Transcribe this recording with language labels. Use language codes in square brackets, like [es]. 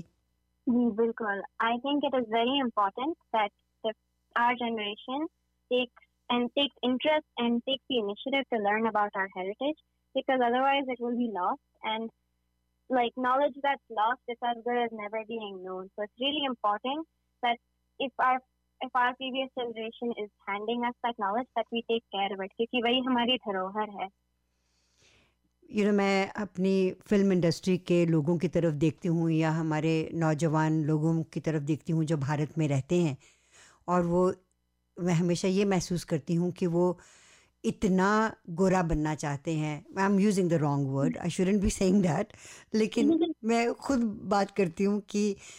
[en] जी बिल्कुल I think it is very important that our generation take interest and take the initiative to learn about our heritage because otherwise it will be lost and Like, knowledge that's lost is as good as never being known. So it's really important that if our previous generation is handing us that knowledge, that we take care of it. Because it's our [hi] hamari dharohar hai. [en] You know, [hi] मैं अपनी film industry के लोगों की तरफ देखती हूँ या हमारे नौजवान लोगों की तरफ देखती हूँ जो भारत में रहते हैं और वो मैं हमेशा ये महसूस करती हूँ कि वो इतना गोरा बनना चाहते हैं [en] I am using the wrong word I shouldn't be saying that [hi] लेकिन मैं खुद बात करती हूँ कि